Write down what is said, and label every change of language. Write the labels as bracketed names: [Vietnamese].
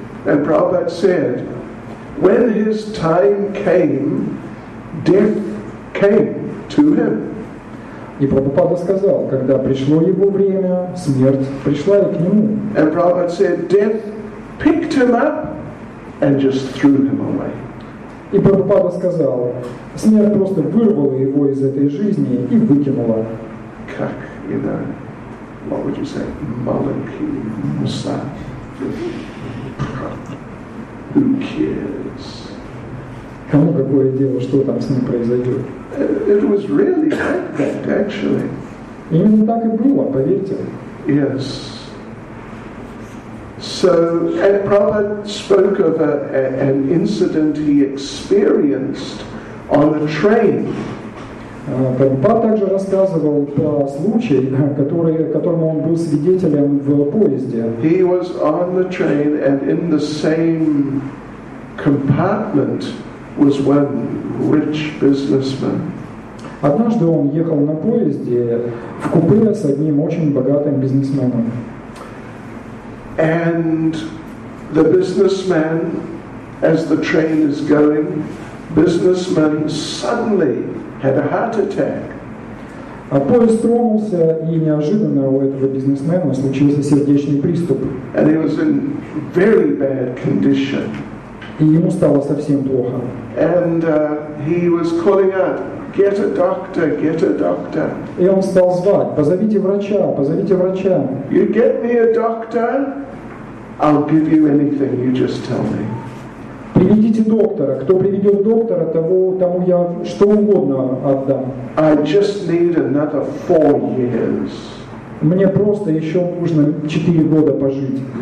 [English] And Prabhupada said, when his time came, death came to him. [Russian] И Прабхупада сказал, когда пришло его время, смерть пришла и к нему. [English] And Prabhupada said, death picked him up and just threw him away. [Russian] И Прабхупада сказал, смерть просто вырвала его из этой жизни и выкинула. Как, [English] you know, what would you say, Malachi Musa? Who cares? [Russian] Кому какое дело, что там с ним произойдет? [English] It was really like that, actually. [Russian] Именно так и было, поверьте. [English] Yes. So, and Prabhupada spoke of an incident he experienced on a train. [Russian] Прабхупада также рассказывал про случай, которому он был свидетелем в поезде. [English] He was on the train, and in the same compartment was one rich businessman. [Russian] Однажды он ехал на поезде в купе с одним очень богатым бизнесменом. [English] And the businessman, as the train is going, businessman suddenly had a heart attack. [Russian] А поезд тронулся, и неожиданно у этого бизнесмена случился сердечный приступ. [English] And he was in very bad condition. [Russian] И ему стало совсем плохо. [English] And he was calling out, get a doctor, get a doctor. [Russian] И он стал звать, позовите врача, позовите врача. [English] You get me a doctor, I'll give you anything, you just tell me. [Russian] Приведите доктора, кто приведет доктора, тому я что угодно отдам. [English] I just need another 4 years. [Russian] Мне просто еще нужно 4 года пожить.